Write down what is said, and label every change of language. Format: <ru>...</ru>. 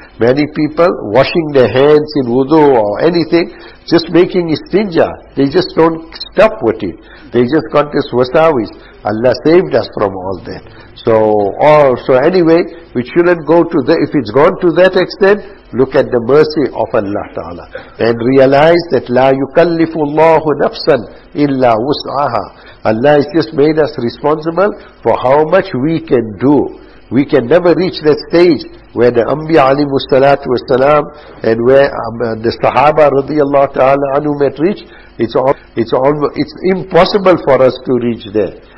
<en>Many people washing their hands in wudu or anything, just making istinja. They just don't stop with it. They just got this wasawis. Allah saved us from all that. So anyway, we shouldn't go to that. If it's gone to that extent, look at the mercy of Allah Ta'ala. And realize that</en> <ar>لا يكلف الله نفسا إلا وسعها.</ar> <en>Allah has just made us responsible for how much we can do. We can never reach that stage where the Anbiya alayhimus salatu was salam and where the Sahaba radiyallahu ta'ala anhum had reached. It's impossible for us to reach there.</en>